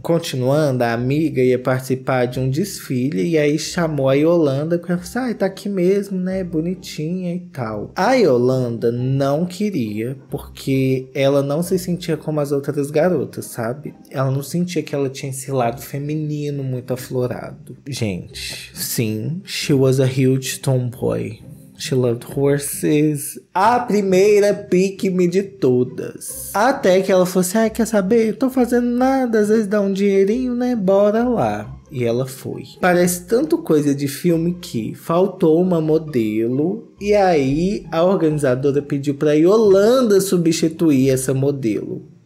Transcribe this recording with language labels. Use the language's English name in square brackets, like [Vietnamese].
[Portuguese] Continuando, a amiga ia participar de um desfile e aí chamou a Yolanda e falou assim, ah, tá aqui mesmo, né, bonitinha e tal. A Yolanda não queria porque ela não se sentia como as outras garotas, sabe? Ela não sentia que ela tinha esse lado feminino muito aflorado. [English] Gente, sim, she was a huge tomboy. She loved horses. [Portuguese] A primeira pick-me de todas. Até que ela fosse, ai, quer saber? Tô fazendo nada, às vezes dá um dinheirinho, né? Bora lá. E ela foi. Parece tanto coisa de filme que faltou uma modelo. E aí a organizadora pediu pra Yolanda substituir essa modelo.